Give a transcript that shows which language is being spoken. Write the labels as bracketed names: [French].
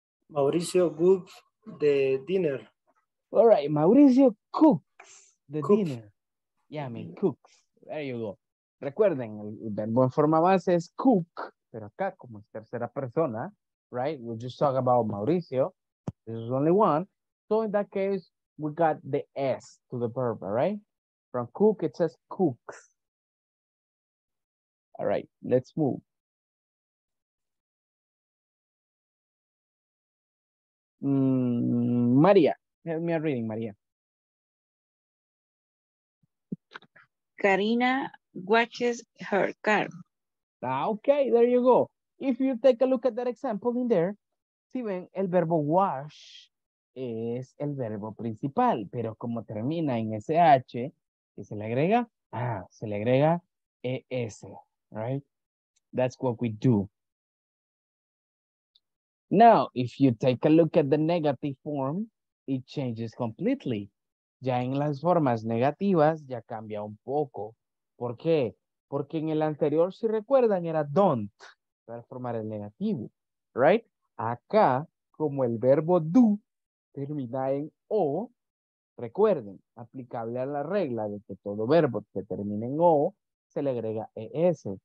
[English] Mauricio cooks the dinner. All right, Mauricio cooks the cooks. Dinner. Yeah, I mean, cooks. There you go. [Spanish] Recuerden, el verbo en forma base es cook, pero acá como es tercera persona, [English] right? We just talk about Mauricio. This is only one. So in that case, we got the S to the verb, all right? From cook, it says cooks. All right, let's move. Maria, help me a reading, Maria. Karina watches her car. Ah, okay, there you go. If you take a look at that example in there, [Spanish] si ven, el verbo wash es el verbo principal, pero como termina en SH, ¿qué se le agrega? [English] Ah, [Spanish] se le agrega ES, [English] right? That's what we do. Now, if you take a look at the negative form, it changes completely. [Spanish] Ya en las formas negativas ya cambia un poco. ¿Por qué? Porque en el anterior, si recuerdan, era don't para formar el negativo, [English] right? [Spanish] Acá, como el verbo do termina en o, recuerden, aplicable a la regla de que todo verbo que termine en o se le agrega es.